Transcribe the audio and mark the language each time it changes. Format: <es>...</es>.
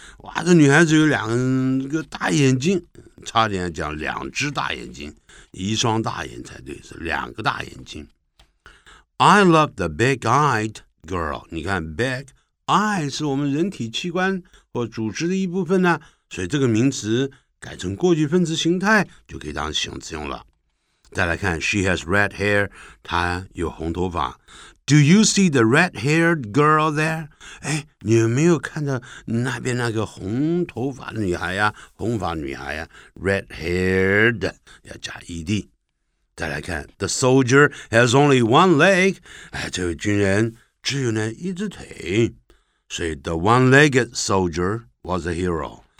<zh>哇，这女孩子有两个大眼睛，差点讲两只大眼睛，一双大眼才对，是两个大眼睛。</zh> <en>I love the big-eyed。</en> <zh>Girl, 你看 big eye 是我们人体器官或组织的一部分呢，所以这个名词改成过去分词形态就可以当形容词用了。再来看</zh> <en>She has red hair,</en> <zh>她有红头发。</zh> <en>Do you see the red-haired girl there?</en> <zh>哎，你有没有看到那边那个红头发女孩呀？红发女孩呀 ，red-haired 要加 ed。再来看</zh> <en>The soldier has only one leg.</en> <zh>哎，这位军人。只有那一只腿，所以</zh> <en>the one-legged soldier was a hero.</en>